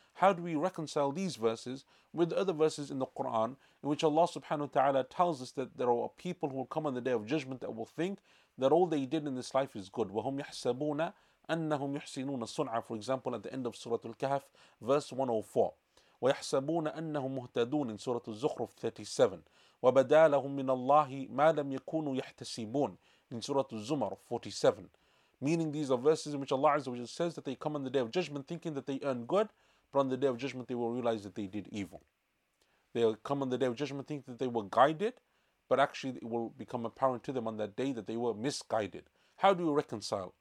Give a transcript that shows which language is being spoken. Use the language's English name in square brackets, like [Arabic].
[English] How do we reconcile these verses with other verses in the Quran in which Allah subhanahu wa ta'ala tells us that there are people who will come on the Day of Judgment that will think that all they did in this life is good? [Arabic] وَهُمْ يَحْسَبُونَ أَنَّهُمْ يُحْسِنُونَ صُنْعًا, [English] for example, at the end of Surah Al-Kahf, verse 104. [Arabic] وَيَحْسَبُونَ أَنَّهُمْ مُهْتَدُونَ [English] in Surah Al-Zukhruf 37. [Arabic] وَبَدَى لَهُمْ مِنَ اللَّهِ مَا لَمْ يَكُونُوا يَحْتَسِبُونَ [English] in Surah Al-Zumar 47. Meaning, these are verses in which Allah Azza wa Jalla says that they come on the Day of Judgment thinking that they earn good, but on the Day of Judgment they will realize that they did evil. They will come on the Day of Judgment thinking that they were guided, but actually it will become apparent to them on that day that they were misguided. How do you reconcile?